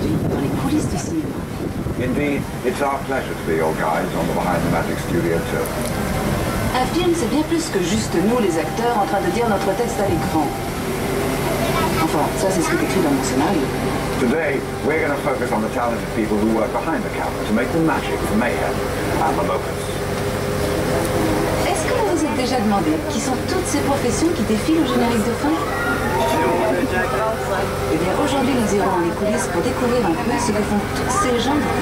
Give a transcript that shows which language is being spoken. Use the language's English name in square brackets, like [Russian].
[English] Indeed, it's our pleasure to be your guides on the Behind the Magic Studio Tour. [French] Un film, c'est bien plus que juste nous, les acteurs, en train de dire notre texte à l'écran. Enfin, ça, c'est ce qui est écrit dans mon scénario. [English] Today, we're going to focus on the talented people who work behind the camera to make the magic for Mayhem and the Locusts. [French] Est-ce que vous vous êtes déjà demandé qui sont toutes ces professions qui défilent au générique de fin? Eh bien, aujourd'hui, nous irons dans les coulisses pour découvrir un peu ce que font toutes ces gens.